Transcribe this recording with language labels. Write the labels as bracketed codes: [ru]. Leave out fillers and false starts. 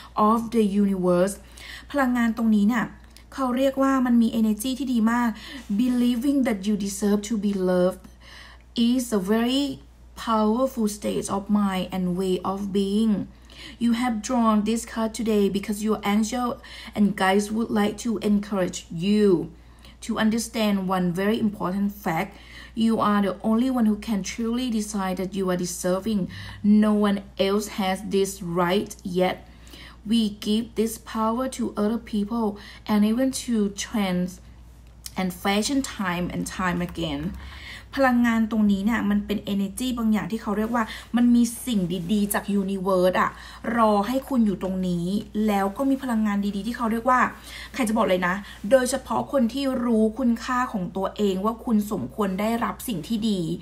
[en] of the universe [th] พลังงานตรงนี้เนี่ยเขาเรียกว่ามันมี [en] energy [th] ที่ดีมาก [en] Believing that you deserve to be loved is a very powerful state of mind and way of beingYou have drawn this card today because your angel and guides would like to encourage you to understand one very important fact. You are the only one who can truly decide that you are deserving. No one else has this right yet. We give this power to other people and even to trends and fashion time and time again. [th] พลังงานตรงนี้เนี่ยมันเป็น energy บางอย่างที่เขาเรียกว่ามันมีสิ่งดีๆจาก universe อ่ะรอให้คุณอยู่ตรงนี้แล้วก็มีพลังงานดีๆที่เขาเรียกว่าใครจะบอกเลยนะโดยเฉพาะคนที่รู้คุณค่าของตัวเองว่าคุณสมควรได้รับสิ่งที่ดี